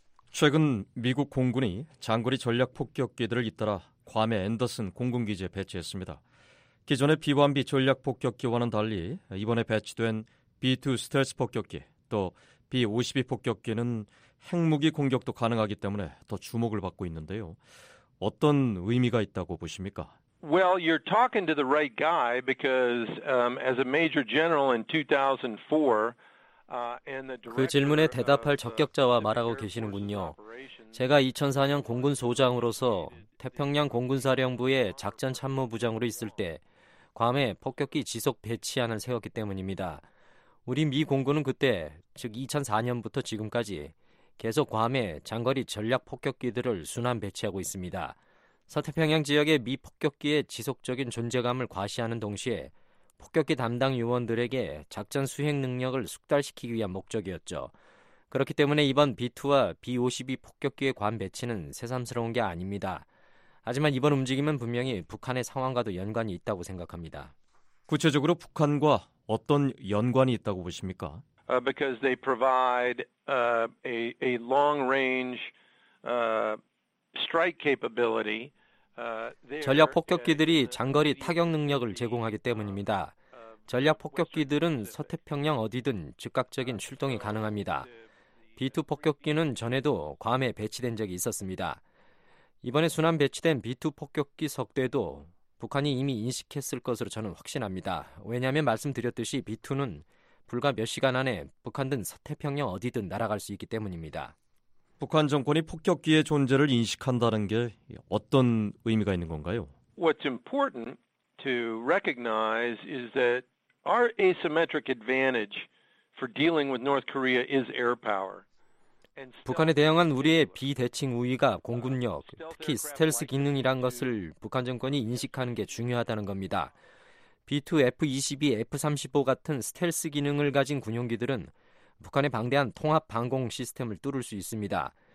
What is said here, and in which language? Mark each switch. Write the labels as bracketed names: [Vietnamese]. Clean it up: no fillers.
[Korean] 최근 미국 공군이 장거리 전략 폭격기들을 잇따라 괌의 앤더슨 공군기지에 배치했습니다. 기존의 B-1B 전략폭격기와는 달리 이번에 배치된 B-2 스텔스 폭격기 또 B-52 폭격기는 핵무기 공격도 가능하기 때문에 더 주목을 받고 있는데요. 어떤 의미가 있다고 보십니까? [English] Well, you're talking to the right guy because as a major general in 2004... [Korean] 그 질문에 대답할 적격자와 말하고 계시는군요. 제가 2004년 공군 소장으로서 태평양 공군사령부의 작전참모부장으로 있을 때 괌에 폭격기 지속 배치안을 세웠기 때문입니다. 우리 미 공군은 그때, 즉 2004년부터 지금까지 계속 괌에 장거리 전략 폭격기들을 순환 배치하고 있습니다. 서태평양 지역의 미 폭격기의 지속적인 존재감을 과시하는 동시에 폭격기 담당 요원들에게 작전 수행 능력을 숙달시키기 위한 목적이었죠. 그렇기 때문에 이번 B-2와 B-52 폭격기의 괌 배치는 새삼스러운 게 아닙니다. 하지만 이번 움직임은 분명히 북한의 상황과도 연관이 있다고 생각합니다. 구체적으로 북한과 어떤 연관이 있다고 보십니까? [English] Because they provide a long-range strike capability. [Korean] 전략폭격기들이 장거리 타격 능력을 제공하기 때문입니다. 전략폭격기들은 서태평양 어디든 즉각적인 출동이 가능합니다. B-2 폭격기는 전에도 괌에 배치된 적이 있었습니다. 이번에 순환 배치된 B-2 폭격기 석대도 북한이 이미 인식했을 것으로 저는 확신합니다. 왜냐하면 말씀드렸듯이 B-2는 불과 몇 시간 안에 북한든 서태평양 어디든 날아갈 수 있기 때문입니다. 북한 정권이 폭격기의 존재를 인식한다는 게 어떤 의미가 있는 건가요? [English] What's important to recognize is that our asymmetric advantage for dealing with North Korea is air power. [Korean] 북한에 대응한 우리의 비대칭 우위가 공군력, 특히 스텔스 기능이란 것을 북한 정권이 인식하는 게 중요하다는 겁니다. B2, F-22, F-35 같은 스텔스 기능을 가진 군용기들은 북한의 방대한 통합 방공 시스템을 뚫을 수 있습니다.